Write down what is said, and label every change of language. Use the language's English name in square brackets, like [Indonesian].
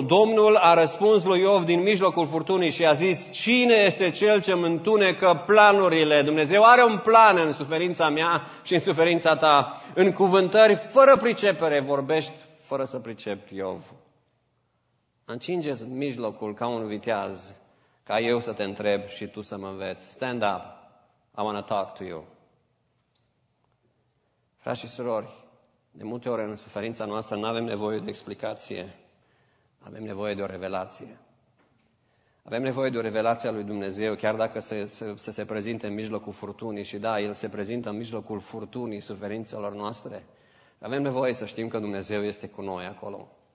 [Romanian] Domnul a răspuns lui Iov din mijlocul furtunii și a zis, cine este cel ce îmi întunecă planurile? Dumnezeu are un plan în suferința mea și în suferința ta. În cuvântări, fără pricepere, vorbești fără să pricepi, Iov. Încinge-ți mijlocul ca un viteaz, ca eu să te întreb și tu să mă înveți. [English] Stand up, I want to talk to you. [Romanian] Frați și surori, de multe ori în suferința noastră nu avem nevoie de explicație, avem nevoie de o revelație. Avem nevoie de o revelație a lui Dumnezeu, chiar dacă se prezinte în mijlocul furtunii și da, El se prezintă în mijlocul furtunii suferințelor noastre. Avem nevoie să știm că Dumnezeu este cu noi acolo.